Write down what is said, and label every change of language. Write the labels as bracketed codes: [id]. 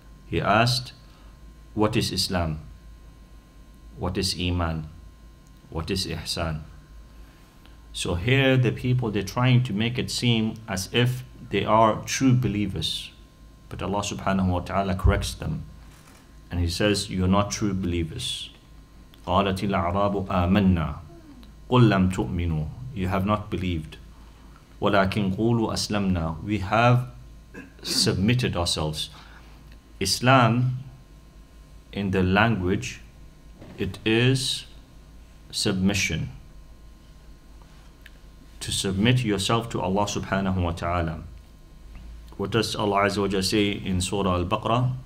[en] He asked, what is Islam? What is iman? What is ihsan? So here the people, they're trying to make it seem as if they are true believers. But Allah subhanahu wa ta'ala corrects them. And he says, you're not true believers. [ar] قَالَتِ الْأَعْرَابُ آمَنَّا قُلْ لَمْ تُؤْمِنُوا, [en] you have not believed. [ar] وَلَكِنْ قُولُوا أَسْلَمْنَا, [en] we have submitted ourselves. Islam, in the language, it is submission. To submit yourself to Allah subhanahu wa ta'ala. What does Allah Azza wa Jalla say in Surah Al-Baqarah?